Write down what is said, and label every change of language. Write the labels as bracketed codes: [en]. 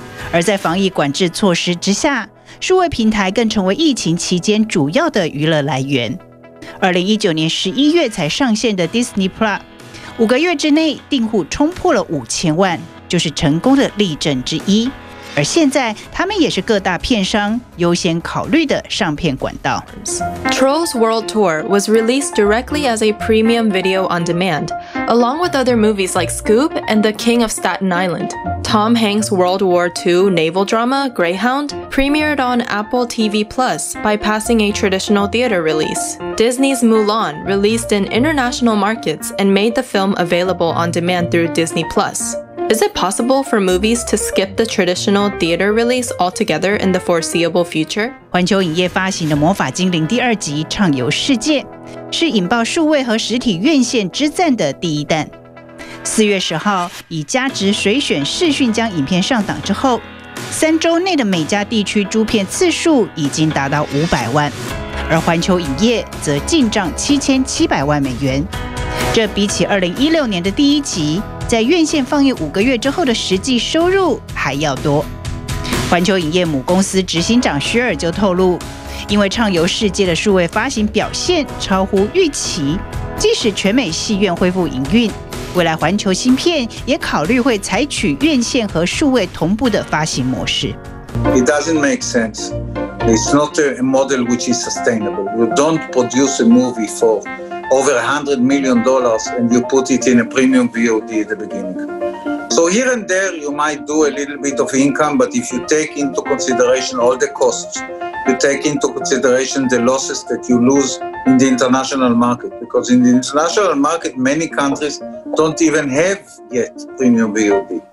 [zh] 而在防疫管制措施之下，数位平台更成为疫情期间主要的娱乐来源。 2019年11月才上线的 Disney Plus， 5个月之内订户冲破了5000万。就是成功的例证之一。而现在他们也是各大片商优先考虑的上片管道。 [en] Trolls World Tour was released directly as a premium video on demand, along with other movies like Scoop and The King of Staten Island. Tom Hanks' World War II naval drama Greyhound premiered on Apple TV Plus, bypassing a traditional theater release. Disney's Mulan released in international markets and made the film available on demand through Disney Plus. Is it possible for movies to skip the traditional theater release altogether in the foreseeable future? [zh] 环球影业发行的《魔法精灵》第二集畅游世界，是引爆数位和实体院线之战的第一弹。 4月10号，以加值水选视讯将影片上档之后，三周内的每家地区租片次数已经达到500万，而环球影业则进账7700万美元。这比起2016年的第一集在院线放映五个月之后的实际收入还要多。环球影业母公司执行长薛尔就透露，因为畅游世界的数位发行表现超乎预期，即使全美戏院恢复营运，未来环球新片也考虑会采取院线和数位同步的发行模式。 [en] It doesn't make sense. It's not a model which is sustainable. You don't produce a movie for over $100 million and you put it in a premium VOD at the beginning. So here and there you might do a little bit of income, but if you take into consideration all the costs, you take into consideration the losses that you lose in the international market, because in the international market many countries don't even have yet premium VOD.